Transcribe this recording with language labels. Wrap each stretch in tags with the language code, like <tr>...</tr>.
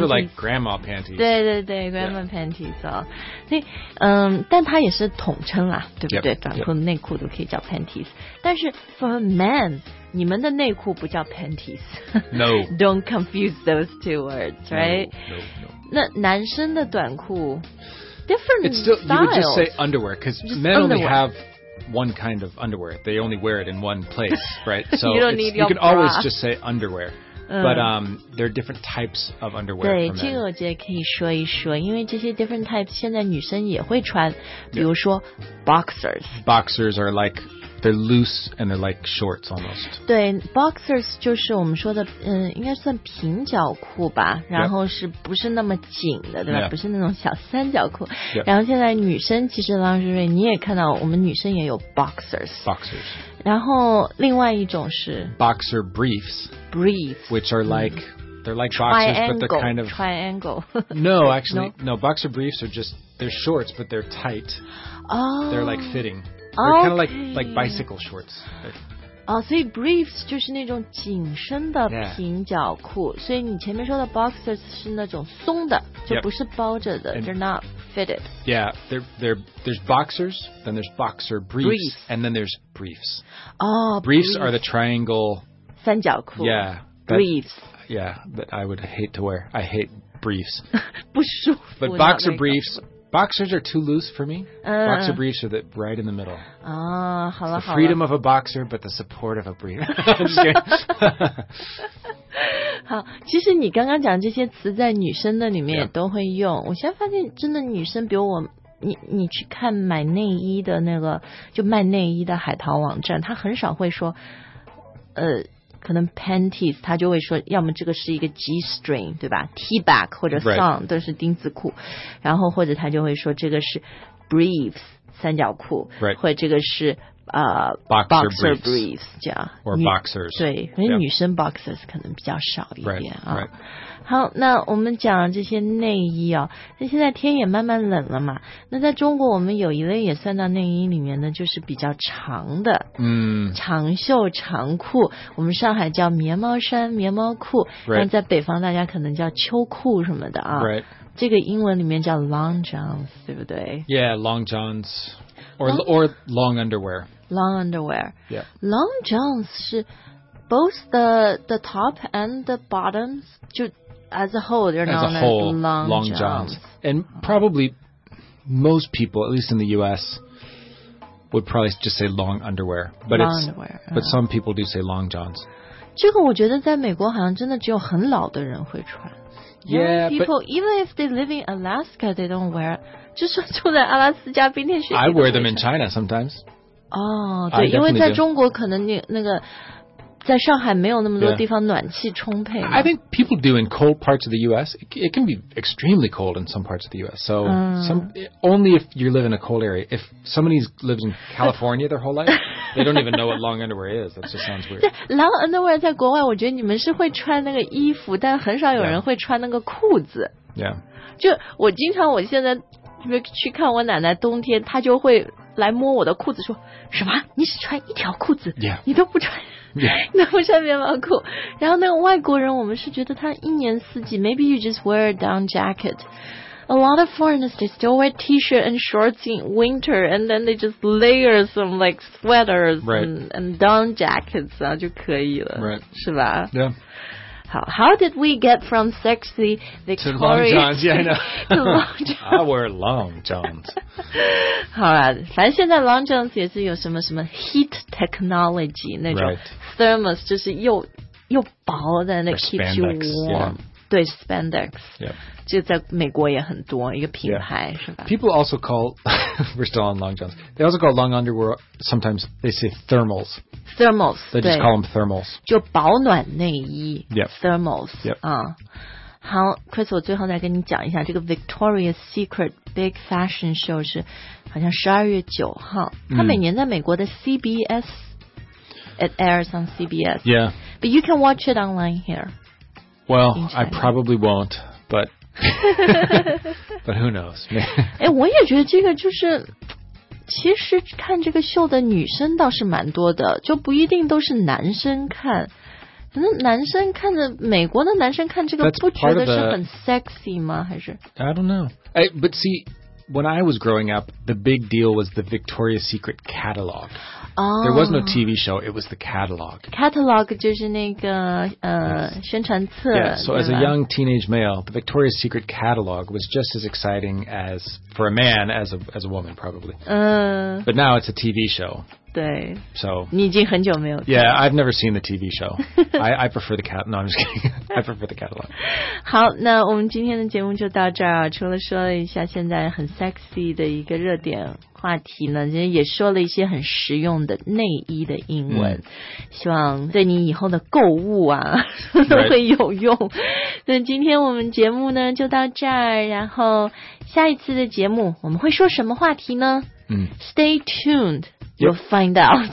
<en>Those are like grandma panties.</en> <zh>对对对 ,grandma panties. 所以但它也是统称啦对不对短裤内裤都可以叫 panties. 但是</zh> <en>for a man,</en> <zh>你们的内裤不叫 panties.</zh> <en>No. Don't confuse those two words, right? No, no, no.</en> <zh>那男生的短裤</zh> <en>different it's still, styles. You would just say underwear, because men only have... one kind of underwear. They only wear it in one place, right? So you don't need your bra. You can always just say underwear. But there are different types of underwear.</en> <zh>对，这个我觉得可以说一说，因为这些</zh> <en>different types</en> <zh>现在女生也会穿，比如说 boxers.</zh> <en>Boxers are like, they're loose and they're like shorts almost.</en> <zh>对 ,boxers 就是我们说的应该算平角裤吧，然后是不是那么紧的，对吧？不是那种小三角裤。然后现在女生其实郎瑞瑞你也看到我们女生也有 boxers。</zh> <en>boxers。</en> <zh>然后另外一种是</zh> <en>boxer briefs。 briefs。 which are like,they're like boxers, but they're kind of... Triangle. No, actually, no, boxer briefs are just, they're shorts, but they're tight. Oh. They're like fitting. They're kind of like bicycle shorts.</en> <zh>So briefs 就是那种紧身的平角裤。所以你前面说的 boxers 是那种松的，就不是包着的。</zh> <en>They're not fitted. Yeah, there's boxers, then there's boxer briefs, and then there's briefs. Oh, briefs are the triangle...</en> <zh>三角裤.</zh> <en>Yeah. Briefs. Yeah, that I would hate to wear. I hate briefs.</en> <zh>不舒服。</zh> <en>But boxer briefs, boxers are too loose for me. Boxer briefs are right in the middle.</en> <zh>Ah, 好了好了。</zh> <en>Freedom of a boxer, but the support of a brief. I'm just kidding.</en> <zh>好，其实你刚刚讲这些词在女生的里面也都会用。我现在发现真的女生，比如我，你去看买内衣的那个，就卖内衣的海淘网站，她很少会说，可能 panties 他就会说要么这个是一个 g-string 对吧 t-back 或者 thong、</zh> <en>right.</en> <zh>都是丁字裤然后或者他就会说这个是 briefs 三角裤、</zh> <en>right.</en> <zh>或者这个是</zh> <en>boxer</en> <zh>briefs 这样</zh> <en>or boxers</en> <zh>对因为女生 boxers 可能比较少一点、</zh> <en>right. 啊 right.</en> <zh>好那我们讲这些内衣哦那现在天也慢慢冷了嘛那在中国我们有一类也算到内衣里面的就是比较长的长袖长裤我们上海叫棉毛衫棉毛裤、</zh> <en>right.</en> <zh>但在北方大家可能叫秋裤什么的啊、</zh> <en>right.</en> <zh>这个英文里面叫 long johns 对不对</zh> <en>yeah long johnsOr long underwear. Long underwear. Yeah. Long johns</en> <zh>是</zh> <en>both the top and the bottoms,</en> <zh>就</zh> <en>as a whole, they're known as long johns. And probably most people, at least in the U.S., would probably just say long underwear. But long underwear. But some people do say long johns.</en> <zh>这个我觉得在美国好像真的只有很老的人会穿。</zh> <en>Yeah, people, but even if they live in Alaska, they don't wear.</en> <zh>就是住在阿拉斯加冰天雪地。</zh> <en>I wear them in China sometimes.</en> <zh>哦、</zh> <en>oh,</en> <zh>，对，因为在中国可能那个在上海没有那么多地方暖气充沛。</zh> <en>I think people do in cold parts of the U.S. It can be extremely cold in some parts of the U.S. So only if you live in a cold area. If somebody's lived in California their whole life, they don't even know what long underwear is. That just sounds weird.</en> <zh>Long underwear 在国外，我觉得你们是会穿那个衣服，但很少有人会穿那个裤子。</zh> <en>Yeah.</en> <zh>就我经常我现在去看我奶奶，冬天她就会来摸我的裤子，说什么？你只穿一条裤子？</zh> <en>Yeah.</en> <zh>你都不穿。</zh> <en>Yeah.</en> <zh>那不穿棉毛裤然后那个外国人我们是觉得他一年四季</zh> <en>maybe you just wear a down jacket a lot of foreigners they still wear t-shirt and shorts in winter and then they just layer some like sweaters、 right. and down jackets</en> <zh>啊就可以了、</zh> <en>right.</en> <zh>是吧</zh> <en>yeah</en> <zh>好</zh> <en>how did we get from sexy Victoria to long johns yeah I know to long I wear long johns</en> <zh>好啦反正现在 long johns 也是有什么什么 heat technology 那种、</zh> <en>right.</en> <zh>Thermos 就是又薄的那 keeps you warm、</zh> <en>yeah.</en> <zh>对 spandex、</zh> <en>yeah.</en> <zh>就在美国也很多一个品牌、</zh> <en>yeah.</en> <zh>是吧</zh> <en>people also call we're still on long johns they also call long underwear sometimes they say thermals they just call them thermals</en> <zh>就保暖内衣、</zh> <en>yep. thermals、 yep.</en> <zh>好 Chris 我最后再跟你讲一下这个 Victoria's Secret Big Fashion Show 是好像12月9号它每年在美国的 CBSIt</zh> <en>airs on CBS. Yeah. But you can watch it online here. Well, I probably won't, but, but who knows?</en> <zh>哎，我也觉得这个就是，其实看这个秀的女生倒是蛮多的，就不一定都是男生看。男生看着美国的男生看这个不觉得是很</zh> <en>sexy</en> <zh>吗还是</zh> <en>I don't know I, But see when I was growing up the big deal was the Victoria's Secret catalog、 oh, There was no TV show it was the catalog</en> <zh>Catalog 就是那个、</zh> <en>yes.</en> <zh>宣传册</zh> <en>yeah, So as a young teenage male the Victoria's Secret catalog was just as exciting as for a man as a woman probably、But now it's a TV show</en> <zh>对</zh> <en>so,</en> <zh>你已经很久没有</zh> <en>Yeah, I've never seen the TV show I prefer the cat No, I'm just kidding I prefer the catalog</en> <zh>好那我们今天的节目就到这儿除了说了一下现在很 sexy 的一个热点话题呢今天也说了一些很实用的内衣的英文、希望对你以后的购物啊都会有用、</zh> <en>right.</en> <zh>那今天我们节目呢就到这儿然后下一次的节目我们会说什么话题呢、</zh> <en>Stay tuned You'll find out.</en>